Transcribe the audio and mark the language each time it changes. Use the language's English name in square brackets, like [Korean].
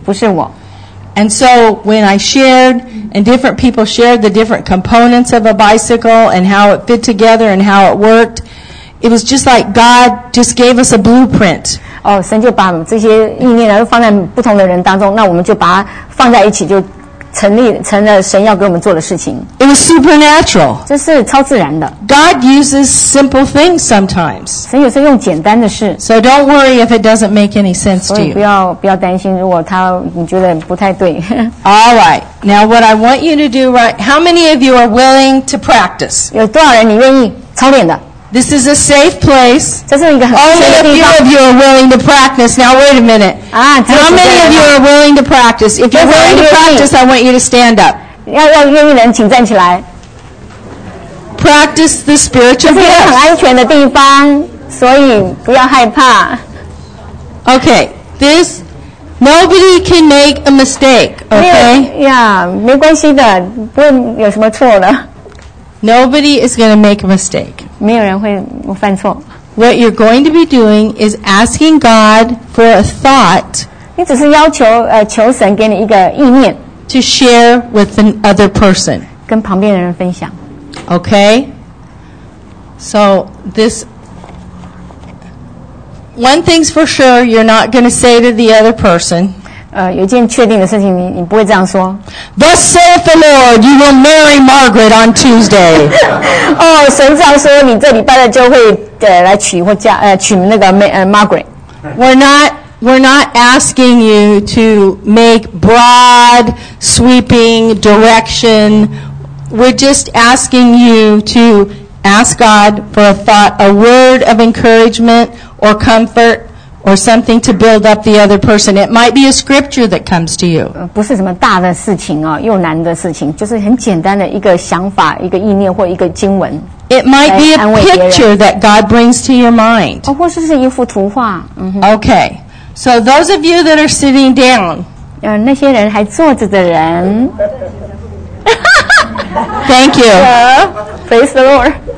[Chinese] 不是我。 [English] And so when I shared, and different people shared the different components of a bicycle and how it fit together and how it worked, it was just like God just gave us a blueprint. [Chinese] 哦，神就把这些意念呢放在不同的人当中，那我们就把它放在一起，就成了神要给我们做的事情。 [English] It was supernatural. [Chinese] 这是超自然的。 [English] God uses simple things sometimes. [Chinese] 神有时候用简单的事。 [English] So don't worry if it doesn't make any sense to you. [Chinese] 不要担心，如果他你觉得不太对。 [English] All right. Now what I want you to do, right? How many of you are willing to practice? [Chinese] 有多少人你愿意操练的？ [English] This is a safe place. [Chinese] 这是一个很安全的地方。 [English] Only a few of you are willing to practice. Now wait a minute. How many of you are willing to practice? If you're willing to practice, I want you to stand up. [Chinese] 要愿意的人请站起来。 [English] Practice the spiritual gifts. [Chinese] 这是一个很安全的地方，所以不要害怕。 [English] Okay, this nobody can make a mistake. Okay. [Chinese] Yeah, 没关系的，不会有什么错的。 [English] Nobody is going to make a mistake. [Chinese] 没有人会犯错。 [English] What you're going to be doing is asking God for a thought. [Chinese] 你只是要求求神给你一个意念。 [English] To share with another person. [Chinese] 跟旁边的人分享。 [English] Okay. So this one thing's for sure, you're not going to say to the other person. [Chinese] 有一件确定的事情你不会这样说。 [English] Thus saith the Lord, you will marry Margaret on Tuesday. [Chinese] 哦，神这样说，你这礼拜就会来娶那个Margaret. [English] We're not asking you to make broad, sweeping direction. We're just asking you to ask God for a thought, a word of encouragement or comfort. Or something to build up the other person. It might be a scripture that comes to you. [Chinese] 不是什么大的事情哦，又难的事情，就是很简单的一个想法、一个意念或一个经文。 [English] It might be a picture that God brings to your mind. [Chinese] 或者是一幅图画。 [English] Okay. So those of you that are sitting down. [Chinese] 那些人还坐着的人。 [English] Thank you. Praise the Lord.